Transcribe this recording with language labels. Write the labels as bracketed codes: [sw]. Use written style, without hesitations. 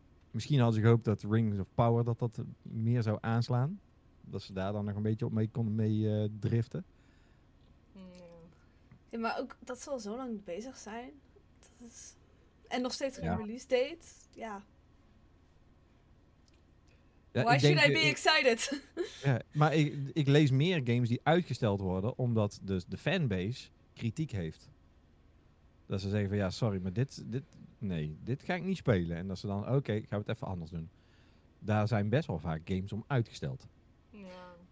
[nl] Misschien hadden ze gehoopt dat Rings of Power dat meer zou aanslaan. Dat ze daar dan nog een beetje op mee konden driften. Ja, maar ook dat ze al zo lang bezig zijn. Dus... En nog steeds geen release date. Ja. [en] Ja, Why should I be excited? [nl] Ja, maar ik lees meer games die uitgesteld worden, omdat dus de fanbase kritiek heeft. Dat ze zeggen van, ja, sorry, maar dit ga ik niet spelen. En dat ze dan, oké, gaan we het even anders doen. Daar zijn best wel vaak games om uitgesteld. Ja.